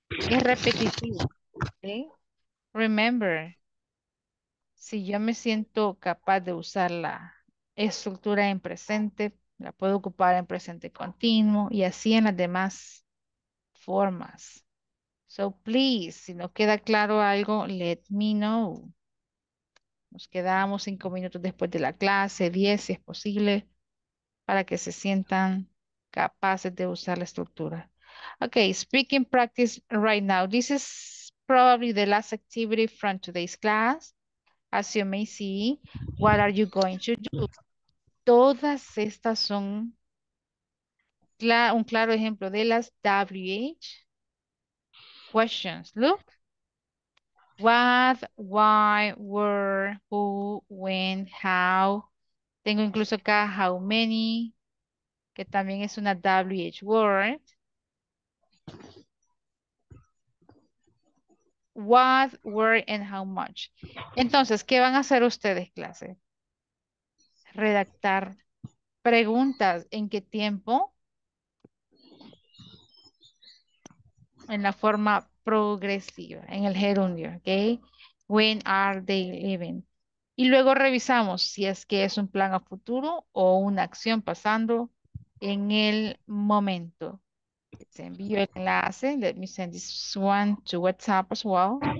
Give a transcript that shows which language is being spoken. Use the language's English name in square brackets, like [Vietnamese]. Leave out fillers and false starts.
[Spanish] Es repetitivo, ¿okay? Remember, si yo me siento capaz de usar la estructura en presente, la puedo ocupar en presente continuo y así en las demás formas. [English] So please, [Spanish] si no queda claro algo, [English] let me know. [Spanish] Nos quedamos 5 minutos después de la clase, 10 si es posible, para que se sientan capaces de usar la estructura. [English] Okay, speaking practice right now. This is probably the last activity from today's class. As you may see, what are you going to do? [Spanish] Todas estas son un claro ejemplo de las WH questions. [English] Look. What, why, where, who, when, how. [Spanish] Tengo incluso acá how many, que también es una WH word. [English] What, where, and how much. [Spanish] Entonces, ¿qué van a hacer ustedes, clase? Redactar preguntas. ¿En qué tiempo? En la forma progresiva, en el gerundio, ¿ok? [English] When are they living? [Spanish] Y luego revisamos si es que es un plan a futuro o una acción pasando en el momento. Se envió el enlace. [English] Let me send this one to WhatsApp as well.